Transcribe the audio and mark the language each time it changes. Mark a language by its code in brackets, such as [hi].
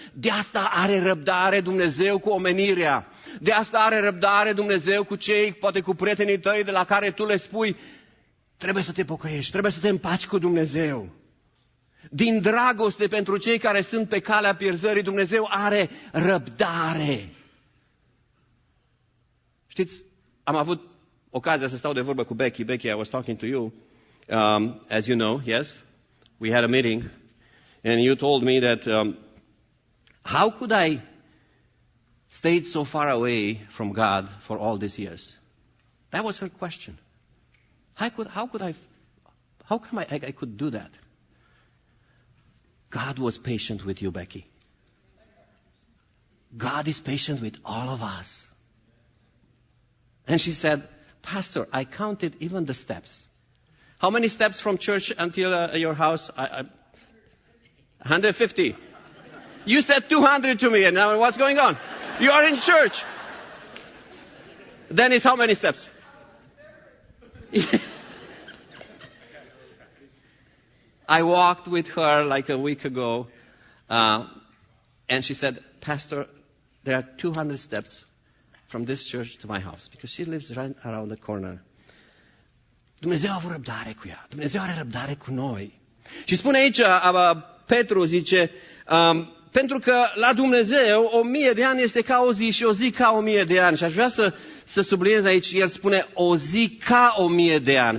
[ro] De asta are răbdare Dumnezeu cu omenirea. De asta are răbdare Dumnezeu cu cei, poate cu prietenii tăi, de la care tu le spui, trebuie să te pocăiești, trebuie să te împaci cu Dumnezeu. Din dragoste pentru cei care sunt pe calea pierzării, Dumnezeu are răbdare. Știți, am avut ocazia să stau de vorbă cu Becky. [en] Becky, I was talking to you, as you know, yes, we had a meeting, and you told me that, how could I stay so far away from God for all these years? That was her question. How could do that? God was patient with you, Becky. God is patient with all of us. And she said, Pastor, I counted even the steps. How many steps from church until your house? 150. You said 200 to me, and now what's going on? You are in church. Dennis, how many steps? I walked with her like a week ago, and she said, Pastor, there are 200 steps from this church to my house, because she lives right around the corner. [ro] Dumnezeu a avut răbdare cu ea. Dumnezeu are răbdare cu noi. Și spune aici, Petru zice, pentru că la Dumnezeu 1000 de ani este ca o zi și o zi ca 1000 de ani. Și aș vrea să subliniez aici, el spune o zi ca 1000 de ani.